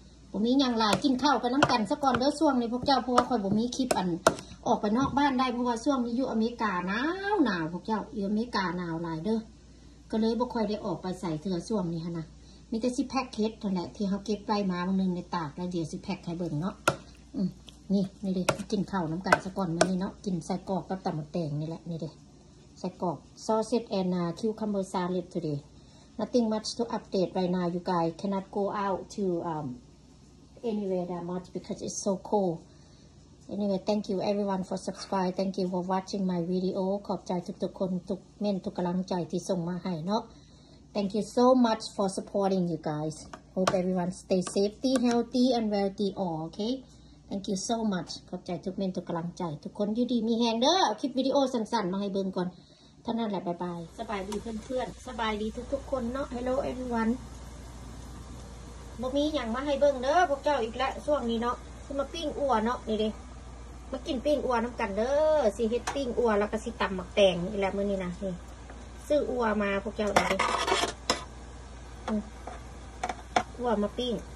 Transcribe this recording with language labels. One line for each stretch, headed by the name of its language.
Northeastern Thai: บ่มีหยังหลายกินข้าวกับน้ำกันซะก่อนเด้อช่วงนี้พวกเจ้าเพราะว่าข้อยบ่มีคลิปอันออกไปนอกบ้านได้เพราะว่าช่วงนี้อยู่อเมริกาหนาวหนาวพวกเจ้าอยู่อเมริกาหนาวหลายเด้อก็เลยบ่ค่อยได้ออกไปใส่เสื้อช่วงนี้หั่นน่ะมีแต่สิแพ็คเฮ็ดเท่านั้นแหละที่เฮาเก็บไว้มาบางนึงในตากแล้วเดี๋ยวสิแพ็คให้เบิ่งเนาะนี่นี่ดิกินข้าวน้ำกันซะก่อนมื้อนี้เนาะกินใส่กรอกกับตำมะแตงนี่แหละนี่ดิใส่กรอก
English: ซอสเซตแอนนาคิวคัมเบอร์ซาเลตทูเดย์Nothing much to update right now, you guys. Cannot go out to anywhere that much because it's so cold. Anyway, thank you everyone for subscribe. Thank you for watching my video.
Northeastern Thai: ขอบใจทุกๆคนทุกเม่นทุกกำลังใจที่ส่งมาให้เนาะ
English: Thank you so much for supporting you guys. Hope everyone stay safety, healthy and wealthy all, okay? Thank you so much.
Northeastern Thai: ขอบใจทุกเม่นทุกกำลังใจทุกคนอยู่ดีมีแฮงเด้อเอาคลิปวิดีโอสั้นๆมาให้เบิ่งก่อนท่านนั่นแหละบ๊ายบาย สบายดีเพื่อนๆสบายดีทุกๆคนเนาะ
English: Hello everyone
Northeastern Thai: บ่มีหยังมาให้เบิ่งเด้อพวกเจ้าอีกแล้วช่วงนี้เนาะสิมาปิ้งอั่วเนาะนี่เด้มากินปิ้งอั่วน้ำกันเด้อสิเฮ็ดปิ้งอั่วแล้วก็สิตำหมักแตงอีกแล้วมื้อนี้นะนี่ซื้ออั่วมาพวกเจ้าเด้อว่ามาปิ้ง